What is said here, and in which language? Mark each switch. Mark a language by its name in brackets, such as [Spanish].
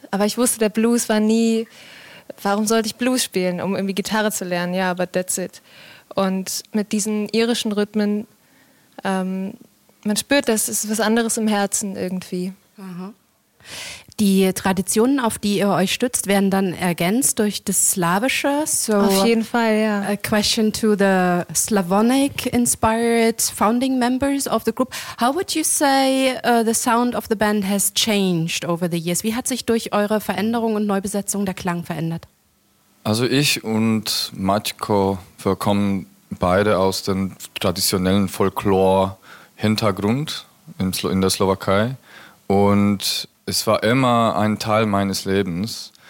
[German] Aber ich wusste, der Blues war nie, warum sollte ich Blues spielen, um irgendwie Gitarre zu lernen? Ja, aber [English] that's it. [German] Und mit diesen irischen Rhythmen, man spürt, das ist was anderes im Herzen irgendwie. Die Traditionen, auf die ihr euch stützt, werden dann ergänzt durch das Slawische. So auf jeden Fall, ja. [English] A question to the Slavonic-inspired founding members of the group. How would you say the sound of the band has changed over the years? [German] Wie hat sich durch eure Veränderung und Neubesetzung der Klang verändert? Also ich und Maćko, wir kommen beide aus dem traditionellen Folklore-Hintergrund in der Slowakei. Und es war immer ein Teil meines Lebens.